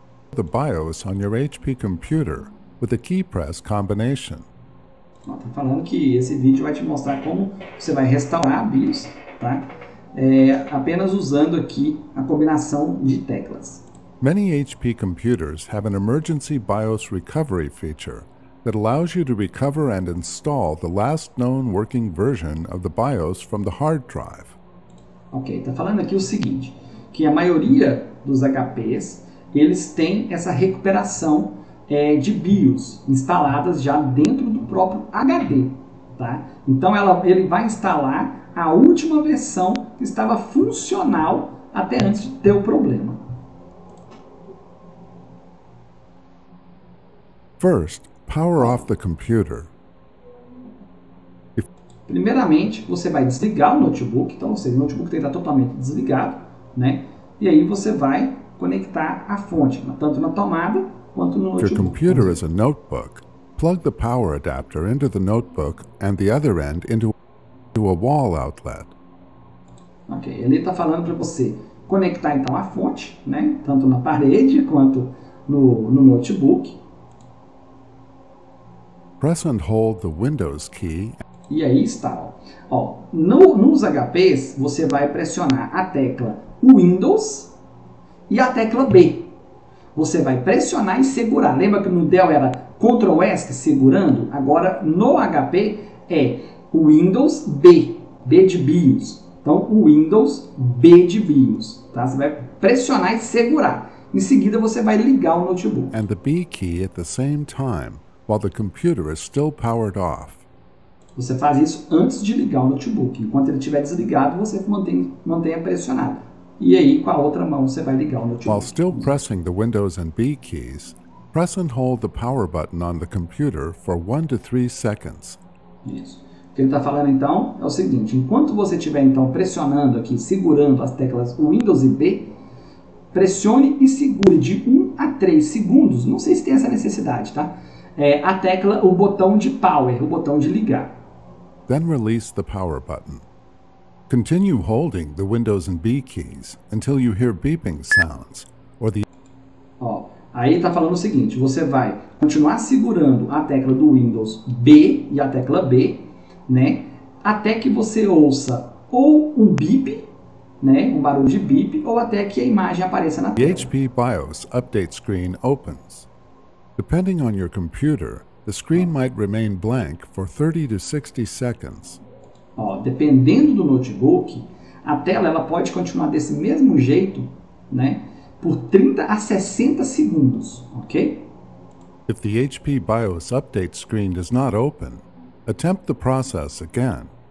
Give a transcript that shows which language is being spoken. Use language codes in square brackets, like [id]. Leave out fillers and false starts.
[en] The BIOS on your HP computer with a key press combination. [pt] Ó, tá falando que esse vídeo vai te mostrar como você vai restaurar a BIOS, tá? Apenas usando aqui a combinação de teclas. [en] Many HP computers have an emergency BIOS recovery feature that allows you to recover and install the last known working version of the BIOS from the hard drive. [pt] Ok, está falando aqui o seguinte, que a maioria dos HPs, eles têm essa recuperação de BIOS instaladas já dentro do próprio HD. Tá? Então, ele vai instalar a última versão que estava funcional até antes de ter o problema. [en] First, power off the computer. [pt] Primeiramente, você vai desligar o notebook. Então, ou seja, o notebook tem que estar totalmente desligado, né? E aí você vai conectar a fonte, tanto na tomada quanto no notebook. [en] Your computer is a notebook. Plug the power adapter into the notebook and the other end into a wall outlet. [pt] Ok, ele está falando para você conectar então a fonte, né? Tanto na parede quanto no notebook. [en] Press and hold the Windows key. [pt] E aí está. Ó, nos HPs, você vai pressionar a tecla Windows e a tecla B. Você vai pressionar e segurar. Lembra que no Dell era Ctrl S segurando? Agora, no HP, é Windows B. B de BIOS. Então, Windows B de BIOS. Tá? Você vai pressionar e segurar. Em seguida, você vai ligar o notebook. [en] And the B key at the same time, while the computer is still powered off. [pt] Você faz isso antes de ligar o notebook. Enquanto ele estiver desligado, você mantenha pressionado. E aí, com a outra mão, você vai ligar o notebook. [en] While still pressing the Windows and B keys, press and hold the power button on the computer for 1 to 3 seconds. [pt] Isso. O que ele está falando, então, é o seguinte. Enquanto você estiver, então, pressionando aqui, segurando as teclas Windows e B, pressione e segure de 1 a 3 segundos. Não sei se tem essa necessidade, tá? A tecla, o botão de power, o botão de ligar. [en] Then release the power button. Continue holding the Windows and B keys until you hear beeping sounds or the... [pt] Ó, aí tá falando o seguinte, você vai continuar segurando a tecla do Windows B e a tecla B, né, até que você ouça ou um beep, né, um barulho de beep, ou até que a imagem apareça na tela. [en] The HP BIOS update screen opens. Depending on your computer, the screen might remain blank for 30 to 60 seconds. [pt] Ó, dependendo do notebook, a tela ela pode continuar desse mesmo jeito, né, por 30 a 60 segundos, ok? [en] If the HP BIOS update screen does not open, attempt the process again.